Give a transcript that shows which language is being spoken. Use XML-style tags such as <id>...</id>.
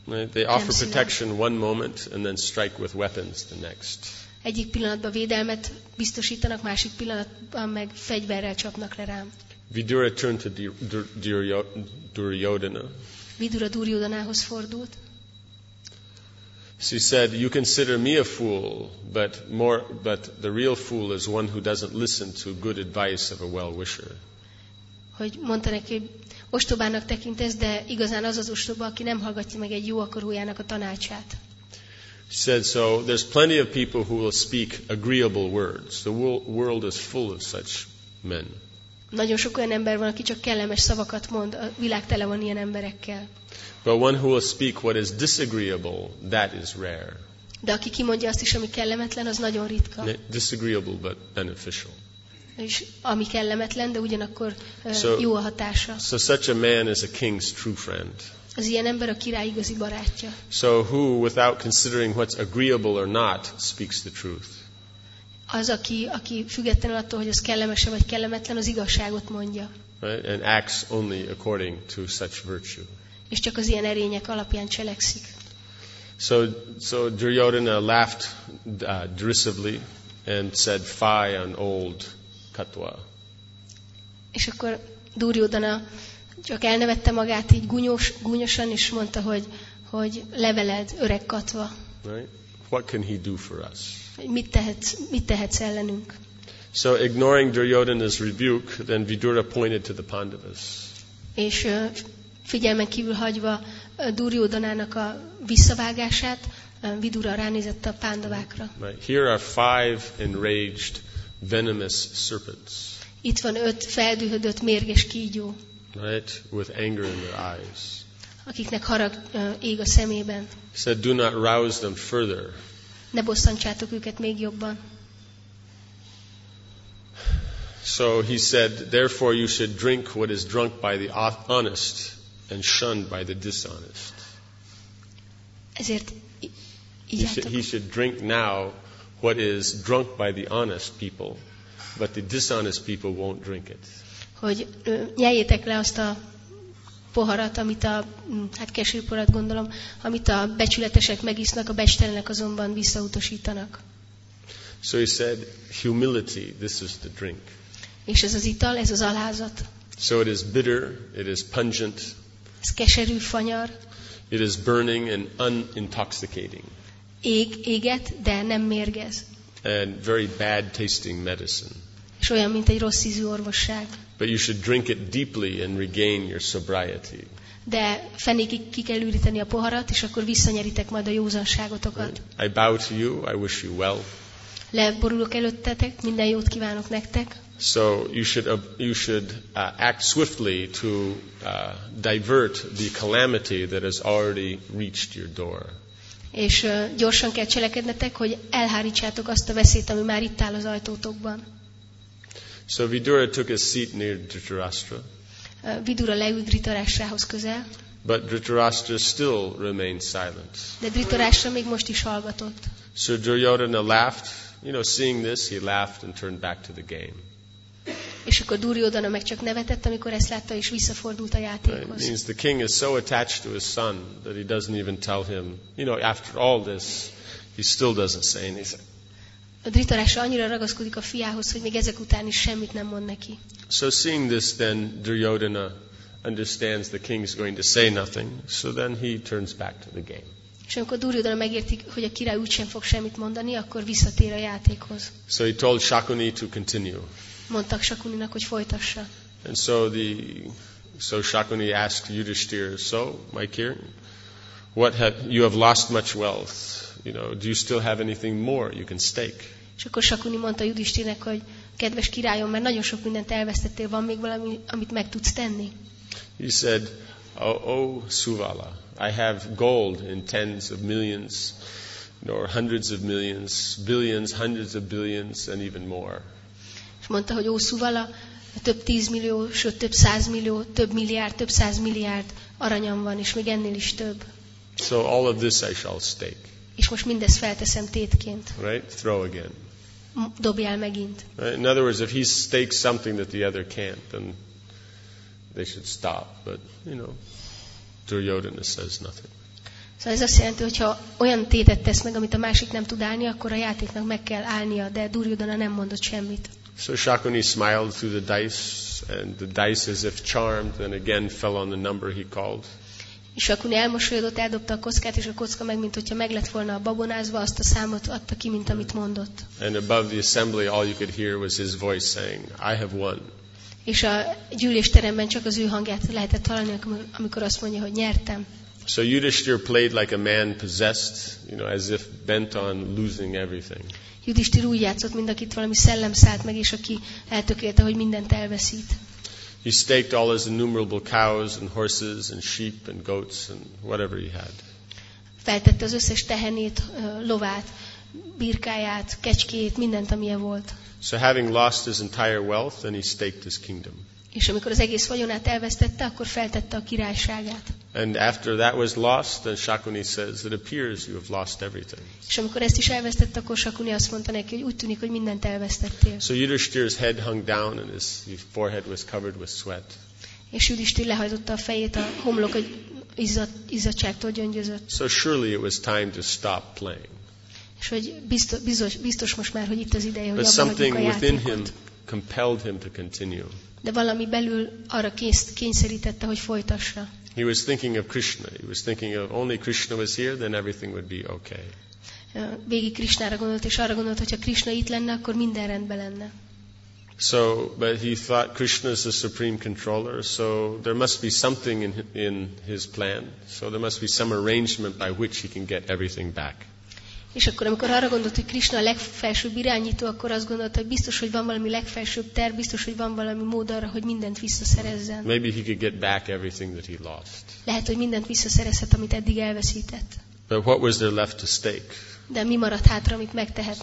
<en>They offer protection one moment and then strike with weapons the next.</en> <hu>Egyik pillanatban védelmet biztosítanak, másik pillanatban meg fegyverrel csapnak le rám.</hu> <en>Vidura turned to Duryodhana.</en> <hu>Vidura Duryodhanához fordult.</hu> <en>She said, "You consider me a fool, but the real fool is one who doesn't listen to good advice of a well-wisher."</en> <hu>Hogy mondta neki, ostobának tekintesz, de igazán az az ostoba, aki nem hallgatja meg egy jó akarójának a tanácsát.</hu> <en>She said, "So there's plenty of people who will speak agreeable words. The world is full of such men."</en> <hu>Nagyon sok olyan ember van, aki csak kellemes szavakat mond, a világ tele van ilyen emberekkel.</hu> <en>But one who will speak what is disagreeable, that is rare.</en> <hu>De aki kimondja azt is, ami kellemetlen, az nagyon ritka.</hu> <en>Disagreeable but beneficial.</en> <hu>És ami kellemetlen, de ugyanakkor jó a hatása.</hu> <en>So such a man is a king's true friend.</en> <hu>Az ilyen ember a király igazi barátja.</hu> <en>So who, without considering what's agreeable or not, speaks the truth.</en> <hu>Az, aki függetlenül attól, hogy az kellemes vagy kellemetlen, az igazságot mondja.</hu> <en>Right? And acts only according to such virtue.</en> <hu>És csak az ilyen erények alapján cselekszik.</hu> <en>So Duryodhana laughed derisively and said, "Fie on old Katwa."</en> <hu>És akkor Duryodhana csak elnevette magát így gúnyosan, és mondta, hogy leveled öreg Katwa.</hu> <en>Right? What can he do for us?</en> <hu>Mit tehetsz ellenünk?</hu> <en>So ignoring Duryodhana's rebuke, then Vidura pointed to the Pandavas.</en> <hu>És figyelmen kívül hagyva Duryodhanának a visszavágását, Vidura ránézett a Pandavákra.</hu> <en>Here are five enraged, venomous serpents.</en> <hu>Itt van öt feldühödött mérges kígyó.</hu> <en>Right, with anger in their eyes.</en> <hu>Akiknek harag ég a szemében.</hu> <en>Said, do not rouse them further.</en> <hu>Ne bosszantsátok őket még jobban.</hu> <en>So he said, therefore you should drink what is drunk by the honest and shunned by the dishonest.</en> <hu>Ezért</hu> <en>he should drink now what is drunk by the honest people, but the dishonest people won't drink it.</en> <hu>Hogy nyeljétek le azt a poharat, amit a, hát keserűporat gondolom, amit a becsületesek megisznak, a becstelenek azonban visszautasítanak.</hu> <en>So he said, humility, this is the drink.</en> <hu>És ez az ital, ez az alázat.</hu> <en>So it is bitter, it is pungent.</en> <hu>Ez keserű, fanyar.</hu> <en>It is burning and unintoxicating.</en> <hu>Éget, de nem mérgez.</hu> <en>And very bad tasting medicine.</en> <hu>És olyan, mint egy rossz ízű orvosság.</hu> <en>But you should drink it deeply and regain your sobriety.</en> <hu>De fenékig ki kell üríteni a poharat, és akkor visszanyeritek majd a józanságotokat.</hu> <en>I bow to you, I wish you well.</en> <hu>Leborulok előttetek, minden jót kívánok nektek.</hu> <en>So you should act swiftly to divert the calamity that has already reached your door.</en> <hu>És gyorsan kell cselekednetek, hogy elhárítsátok azt a veszélyt, ami már itt áll az ajtótokban.</hu> <en>So Vidura took a seat near Dhritarashtra.</en> <hu>Vidura leült Dhritarashtrához közel.</hu> <en>But Dhritarashtra still remained silent.</en> <hu>De Dhritarashtra még most is hallgatott.</hu> <en>So Duryodhana laughed you know, seeing this, he laughed and turned back to the game.</en> <hu>És akkor Duryodhana meg csak nevetett, amikor ezt látta, és visszafordult a játékhoz.</hu> <en>Means the king is so attached to his son that he doesn't even tell him, you know, after all this, he still doesn't say anything.</en> <hu>A Dhritarashtra annyira ragaszkodik a fiához, hogy még ezek után is semmit nem mond neki.</hu> <en>So seeing this, then Duryodhana understands the king is going to say nothing, so then he turns back to the game.</en> <hu>És amikor Duryodhana megérti, hogy a király úgysem fog semmit mondani, akkor visszatér a játékhoz.</hu> <en>So he told Shakuni to continue.</en> <hu>Mondtak Shakuninak, hogy folytassa.</hu> <en>And so so Shakuni asked Yudhishthira, so my king, you have lost much wealth. You know, do you still have anything more you can stake?</en> <hu>És akkor Shakuni mondta Yudhishthirnek, hogy kedves királyom, mert nagyon sok mindent elvesztettél, van még valami, amit meg tudsz tenni?</hu> <en>He said, oh Suvala, I have gold in tens of millions, or hundreds of millions, billions, hundreds of billions, and even more.</en> <hu>És mondta, hogy ó Suvala, több tízmillió, sőt több százmillió, több milliárd, több százmilliárd aranyam van, és még ennél is több.</hu> <en>So all of this I shall stake.</en> <hu>És most mindezt felteszem tétként.</hu> <en>Right? Throw again.</en> <hu>Dobjál megint.</hu> <en>Right? In other words, if he stakes something that the other can't, then they should stop. But, you know, Duryodhana says nothing.</en> <hu>Szóval ez azt jelenti, hogy ha olyan tétet tesz meg, amit a másik nem tud állni, akkor a játéknak meg kell állnia, de Duryodhana nem mondott semmit.</hu> <en>So Shakuni smiled through the dice, and the dice, as if charmed, then again fell on the number he called.</en> <hu>Shakuni elmosolyodott, eldobta a kockát, és a kocka meg, mint hogyha meg lett volna a babonázva, azt a számot adta ki, mint amit mondott.</hu> <en>And above the assembly, all you could hear was his voice saying, "I have won."</en> <hu>És a gyűlésteremben csak az ő hangját lehetett hallani, amikor azt mondja, hogy nyertem.</hu> <en>So Yudhishthira played like a man possessed, you know, as if bent on losing everything.</en> <hu>Yudhishthira úgy játszott, mint akit valami szellem szállt meg, és aki eltökélte, hogy mindent elveszít.</hu> <en>He staked all his innumerable cows and horses and sheep and goats and whatever he had.</en> <hu>Feltette az összes tehenét, lovát, birkáját, kecskét, mindent, amilyen volt.</hu> <en>So having lost his entire wealth, then he staked his kingdom.</en> <hu>És amikor az egész vagyonát elvesztette, akkor feltette a királyságát.</hu> <en>And after that was lost, then Shakuni says, it appears you have lost everything.</en> <hu>És amikor ezt is elvesztette, akkor Shakuni azt mondta neki, hogy úgy tűnik, hogy mindent elvesztettél.</hu> <en>So Yudhishthira's head hung down and his forehead was covered with sweat.</en> <hu>És Yudhishthira lehajtotta a fejét, a homlok egy izzadságtól gyöngyözött.</hu> <en>So surely it was time to stop playing.</en> <hu>És hogy biztos most már, hogy itt az ideje, hogy abba hagyjuk a játékot.</hu> <en>But something within him compelled him to continue.</en> <hu>De valami belül arra kényszerítette, hogy folytassa.</hu> <en>He was thinking of Krishna. He was thinking of only Krishna was here, then everything would be okay.</en> <hu>Végig Krishnára gondolt, és arra gondolt, hogyha Krishna itt lenne, akkor minden rendben lenne.</hu> <en>So, but he thought Krishna is the supreme controller, so there must be something in his plan. So there must be some arrangement by which he can get everything back.</en> <hu>És akkor, amikor arra gondolt, hogy Krishna a legfelsőbb irányító, akkor azt gondolta, hogy biztos, hogy van valami legfelsőbb terv, biztos, hogy van valami mód arra, hogy mindent visszaszerezzen.</hu> <en>Maybe he could get back everything that he lost.</en> <hu>Lehet, hogy mindent visszaszerezhet, amit eddig elveszített.</hu> <en>But what was there left to stake?</en> <hu>De mi maradt hátra, amit megtehetni</hu>